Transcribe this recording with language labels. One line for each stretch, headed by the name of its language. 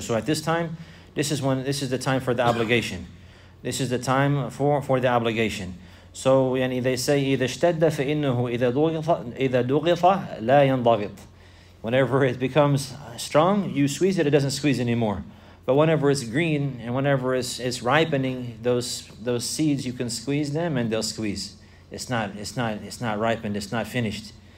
English: So at this time, this is the time for the obligation. This is the time for the obligation. So yani they say,
Arabic: إِذَا اشْتَدَّ فَإِنَّهُ إِذَا دُغِطَ لَا يَنْضَغِطَ.
English: Whenever it becomes strong, you squeeze it, it doesn't squeeze anymore. But whenever it's green, and whenever it's ripening, those seeds, you can squeeze them, and they'll squeeze. It's not ripened, it's not finished.